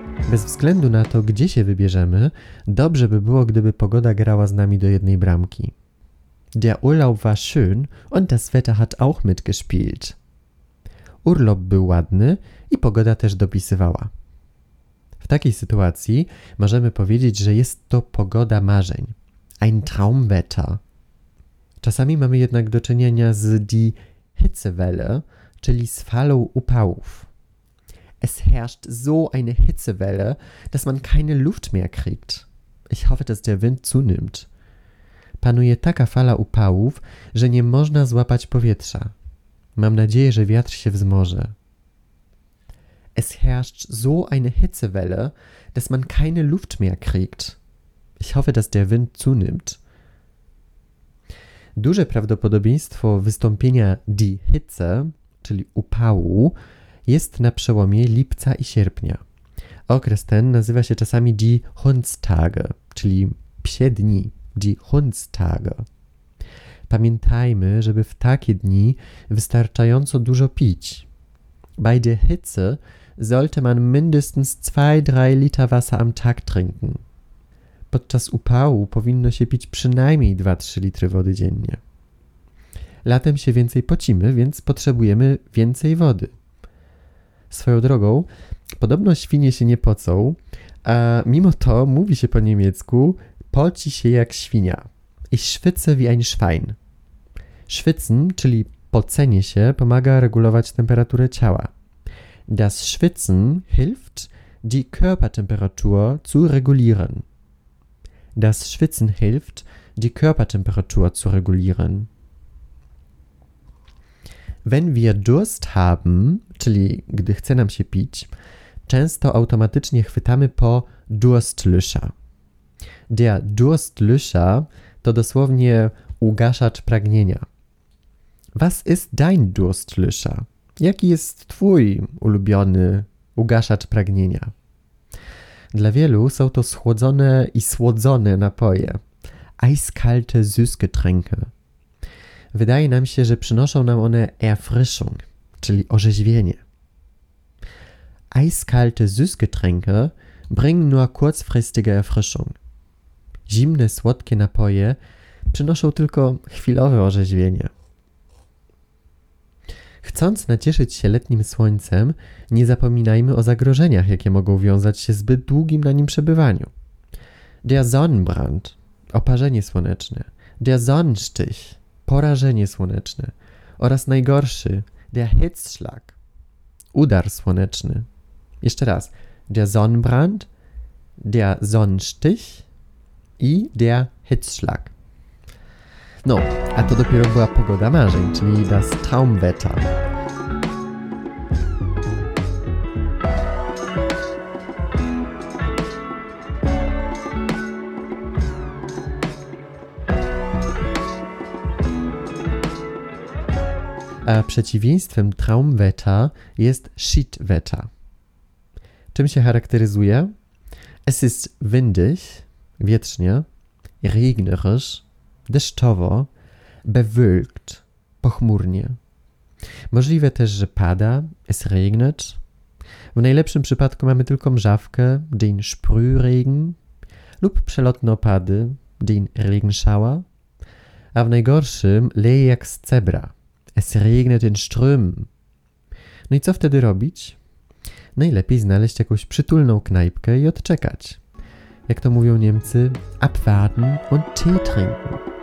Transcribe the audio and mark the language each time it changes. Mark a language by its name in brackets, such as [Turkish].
[Polish] Bez względu na to, gdzie się wybierzemy, dobrze by było, gdyby pogoda grała z nami do jednej bramki. [German] Der Urlaub war schön und das Wetter hat auch mitgespielt. [Polish] Urlop był ładny i pogoda też dopisywała. W takiej sytuacji możemy powiedzieć, że jest to pogoda marzeń. Ein Traumwetter. Czasami mamy jednak do czynienia z die Hitzewelle, czyli z falą upałów. [German] Es herrscht so eine Hitzewelle, dass man keine Luft mehr kriegt. Ich hoffe, dass der Wind zunimmt. [Polish] Panuje taka fala upałów, że nie można złapać powietrza. Mam nadzieję, że wiatr się wzmoże. [German] Es herrscht so eine Hitzewelle, dass man keine Luft mehr kriegt. Ich hoffe, dass der Wind zunimmt. [Polish] Duże prawdopodobieństwo wystąpienia die Hitze, czyli upału, jest na przełomie lipca i sierpnia. Okres ten nazywa się czasami die Hundstage, czyli psie dni, die Hundstage. Pamiętajmy, żeby w takie dni wystarczająco dużo pić. [German] Bei der Hitze sollte man mindestens 2-3 Liter Wasser am Tag trinken. [Polish] Podczas upału powinno się pić przynajmniej 2-3 litry wody dziennie. Latem się więcej pocimy, więc potrzebujemy więcej wody. Swoją drogą, podobno świnie się nie pocą, a mimo to mówi się po niemiecku, poci się jak świnia. [German] Ich schwitze wie ein Schwein. [Polish] Schwitzen, czyli pocenie się, pomaga regulować temperaturę ciała. [German] Das Schwitzen hilft, die Körpertemperatur zu regulieren. Das Schwitzen hilft, die Körpertemperatur zu regulieren. Wenn wir Durst haben, [Polish] czyli gdy chce nam się pić, często automatycznie chwytamy po Durstlöscher. Der Durstlöscher to dosłownie ugaszacz pragnienia. [German] Was ist dein Durstlöscher? [Polish] Jaki jest twój ulubiony ugaszacz pragnienia? Dla wielu są to schłodzone i słodzone napoje. [German] Eiskalte Süßgetränke. [Polish] Wydaje nam się, że przynoszą nam one Erfrischung, czyli orzeźwienie. [German] Eiskalte Süßgetränke bringen nur kurzfristige Erfrischung. [Polish] Zimne, słodkie napoje przynoszą tylko chwilowe orzeźwienie. Chcąc nacieszyć się letnim słońcem, nie zapominajmy o zagrożeniach, jakie mogą wiązać się zbyt długim na nim przebywaniu. Der Sonnenbrand, oparzenie słoneczne. Der Sonnenstich, porażenie słoneczne. Oraz najgorszy, [German] der Hitzschlag, [Polish] udar słoneczny. Jeszcze raz. [German] Der Sonnenbrand, der Sonnenstich i der Hitzschlag. [Polish] No, a to dopiero była pogoda marzeń, czyli das Traumwetter. A przeciwieństwem Traumwetter jest Shitwetter. Czym się charakteryzuje? [German] Es ist windig, [Polish] wietrznie, [German] regnerisch, deszczowo, [Polish] bewölkt, pochmurnie. Możliwe też, że pada, [German] es regnet. [Polish] W najlepszym przypadku mamy tylko mrzawkę, [German] den Sprühregen, [Polish] lub przelotne opady, [German] den Regenschauer, [Polish] a w najgorszym leje jak z cebra. [German] Es regnet in Strömen. [Polish] No i co wtedy robić? Najlepiej znaleźć jakąś przytulną knajpkę i odczekać. Jak to mówią Niemcy, [German] abwarten und Tee trinken.